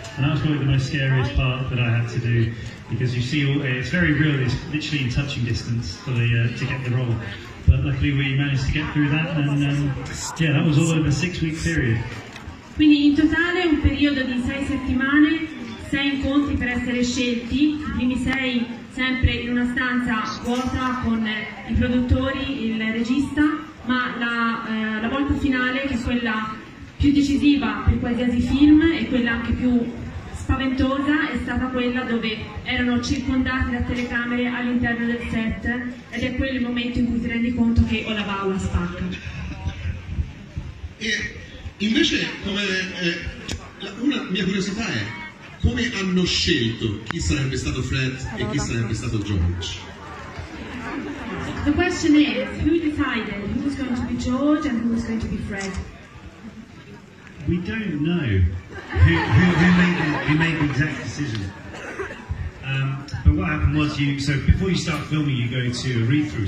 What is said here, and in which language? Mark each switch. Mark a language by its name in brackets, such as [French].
[English] And that was probably the most scariest part that I had to do, because you see, it's very real, it's literally in touching distance for the to get the role. But luckily we managed to get through that, and yeah, that was all over a 6-week period. [Italian] Quindi in totale un periodo di 6 settimane, 6 incontri per essere scelti, i primi 6 sempre in una stanza vuota con i produttori, il regista, ma la volta finale, che è quella più decisiva per qualsiasi film e quella anche più spaventosa, è stata quella dove erano circondati da telecamere all'interno del set ed è quello il momento in cui ti rendi conto che o la va o la spacca. E invece, come una mia curiosità è, come hanno scelto chi sarebbe stato Fred e chi sarebbe stato George? [English] The question is, who decided who's going to be George and who's going to be Fred? we don't know who made the exact decision. But what happened was, before you start filming, you go to a read-through.